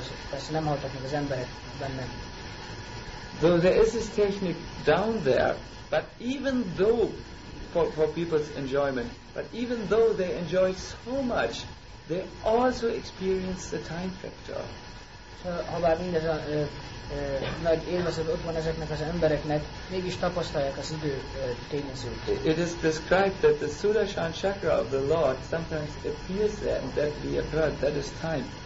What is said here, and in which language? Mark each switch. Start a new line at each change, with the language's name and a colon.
Hungarian: Persze nem haltak meg az emberek benne.
English: Though there is this technique down there, but even though, for people's enjoyment, but even though they enjoy so much, they also experience the time factor.
Hungarian: Habár mindez a nagy élvezet ott van ezeknek az embereknek, mégis tapasztalják az idő tényezőt.
English: It is described that the Sudarshan chakra of the Lord sometimes appears there, and that we have heard, that is time.